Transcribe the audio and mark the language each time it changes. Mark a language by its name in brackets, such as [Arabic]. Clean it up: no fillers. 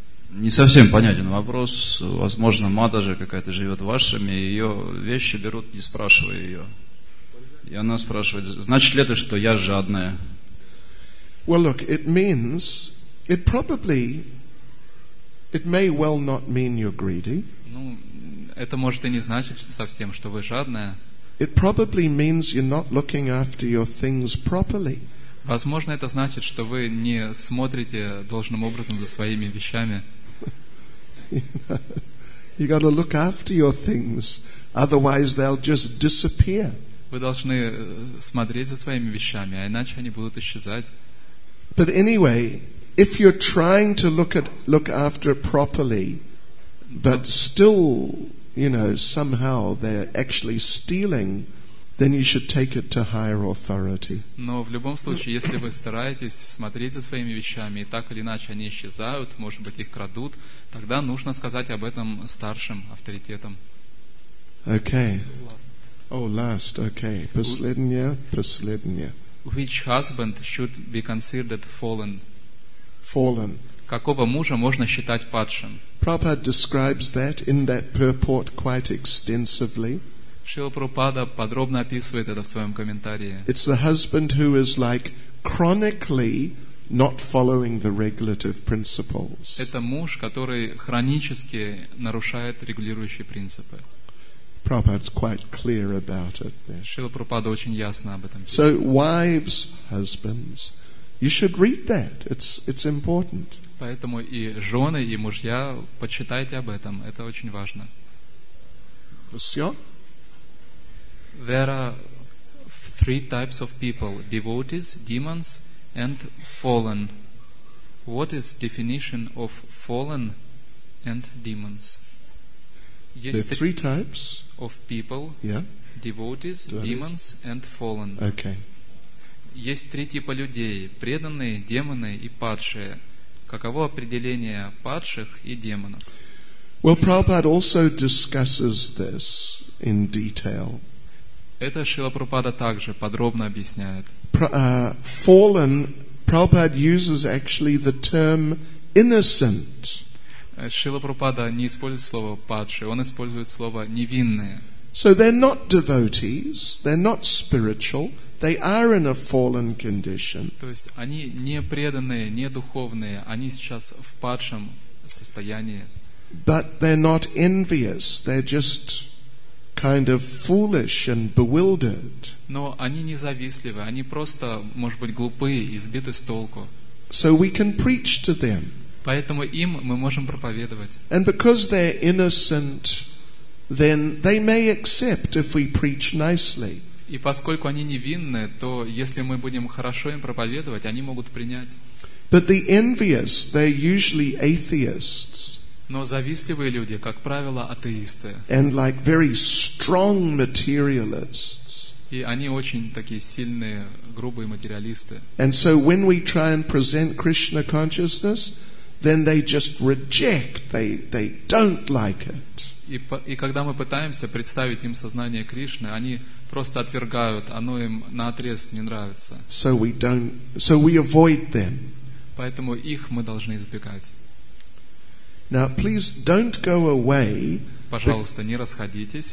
[Russian] Не совсем понятен вопрос. Возможно, мата же какая-то живет вашими, ее вещи берут, не спрашивая ее. И она спрашивает, значит ли это, что я жадная? [English] Well, look, it may well not mean you're greedy. [Russian] Ну, это может и не значить совсем, что вы жадная. [English] It probably means you're not looking after your things properly. [Russian] Возможно, это значит, что вы не смотрите должным образом за своими вещами. [English] You gotta look after your things, otherwise they'll just disappear. [Russian] Вы должны смотреть за своими вещами, а иначе они будут исчезать. [English] But anyway, if you're trying to look after it properly, but still, you know, somehow they're actually stealing, then you should take it to higher authority. [Russian] Но в любом случае, если вы стараетесь смотреть за своими вещами, и так или иначе они исчезают, может быть, их крадут, тогда нужно сказать об этом старшим авторитетам. [English] Okay. Okay. [Russian] Последнее. [English] Which husband should be considered fallen? Fallen. [Russian] Какого мужа можно считать падшим? [English] Prabhupada describes that in that purport quite extensively. [Russian] Шрила Прабхупада подробно описывает это в своем комментарии. [English] It's the husband who is like chronically not following the regulative principles. [Russian] Это муж, который хронически нарушает регулирующие принципы. [English] Prabhupada's quite clear about it. [Russian] Шрила Прабхупада очень ясно об этом. [English] So wives, husbands, you should read that. It's important. [Russian] Поэтому и жены, и мужья, почитайте об этом. Это очень важно. Все? [English] There are three types of people: devotees, demons, and fallen. What is definition of fallen and demons? There are three types of people: devotees, demons, and fallen. Okay. [Russian] Есть три типа людей: преданные, демоны и падшие. Каково определение падших и демонов? [English] Well, Prabhupada also discusses this in detail. [Russian] Это Шрила Прабхупада также подробно объясняет. [English] Fallen, Prabhupada uses actually the term innocent. [Russian] Шрила Прабхупада не использует слово падший, он использует слово невинные. [English] So they're not devotees, they're not spiritual, they are in a fallen condition. [Russian] То есть они не преданные, не духовные, они сейчас в падшем состоянии. [English] But they're not envious, they're just kind of foolish and bewildered. [Russian] Но они не завистливы, они просто, может быть, глупые и сбиты с толку. [English] So we can preach to them. [Russian] Поэтому им мы можем проповедовать. [English] And because they're innocent, then they may accept if we preach nicely. [Russian] И поскольку они невинны, то если мы будем хорошо им проповедовать, они могут принять. [English] But the envious, they're usually atheists. [Russian] Но завистливые люди, как правило, атеисты. [English] And like very strong materialists. [Russian] И они очень такие сильные, грубые материалисты. [English] And so when we try and present Krishna consciousness, then they just reject, they don't like it. [Russian] И когда мы пытаемся представить им сознание Кришны, они просто отвергают, оно им наотрез не нравится. [English] So we avoid them. [Russian] Поэтому их мы должны избегать. [English] Now, please don't go away. [Russian] Пожалуйста, не расходитесь.